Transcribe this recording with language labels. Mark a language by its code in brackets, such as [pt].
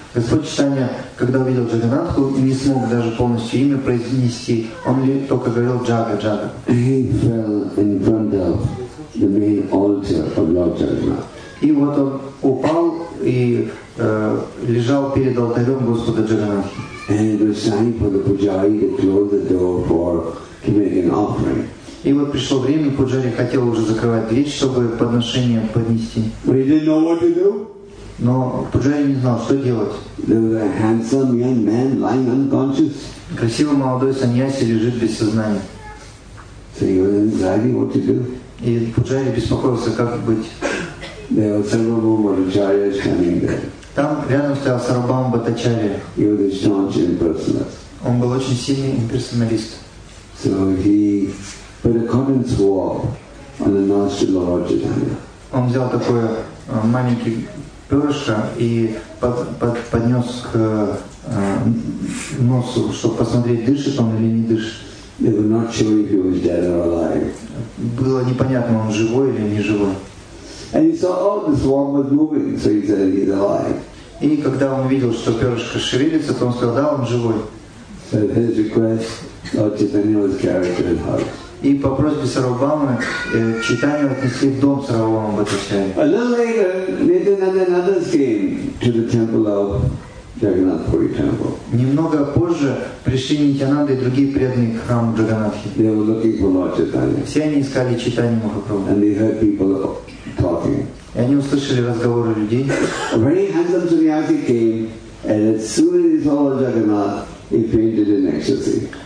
[ru] Господь Чайтанья, когда увидел Джаганатху, не смог даже полностью имя произнести. Он только говорил Джага, Джага. [en] He fell in front of the main altar of Lord Jagannath. [ru] И вот он упал и лежал перед алтарем Господа Джаганатху. [en] And it was time for the pujari to close the door for giving an offering. [ru] И вот пришло время, пуджари хотел уже закрывать дверь, чтобы подношение поднести. [en] But he didn't know what to do. [ru] Но Пуджари не знал, что делать. [en] There was a handsome young man lying unconscious. [ru] Красивый молодой саньяси лежит без сознания. [en] So he was anxiety, what to do? [ru] И Пуджари беспокоился, как быть. [en] There was Sarvabhaumadacharya standing there. [ru] Там рядом стоял Сарвабхаумадачарья. [en] He was a staunch impersonalist. [ru] Он был очень сильный имперсоналист. [en] So he put a cotton swab on the nostril of Lord Chaitanya. [ru] Он взял такой маленький перышко и поднес к носу, чтобы посмотреть, дышит он или не дышит. [en] Not sure if he was dead or alive. [ru] Было непонятно, он живой или не живой. [en] And he saw, oh, the swab was moving, so he said he's alive. [ru] И когда он увидел, что перышко шевелится, то он сказал, да, он живой. [en] So his request, Lord Chaitanya was carried to his house. [ru] И по просьбе Сарвабхаумы Чайтанью отнесли в дом Сарвабхаумадачарьи. [en] A little later, Nityananda and others came to the temple of Jagannath Puri temple. [ru] Немного позже пришли Нитянанда и другие преданные к храму Джаганатхи. [en] They were looking for Lord Chaitanya. [ru] Все они искали Чайтанью Махапрабху. [en] And they heard people talking. [ru] И они услышали разговоры людей. [en] A very handsome sannyasi came, and as soon as he saw Jagannath, he fainted in ecstasy.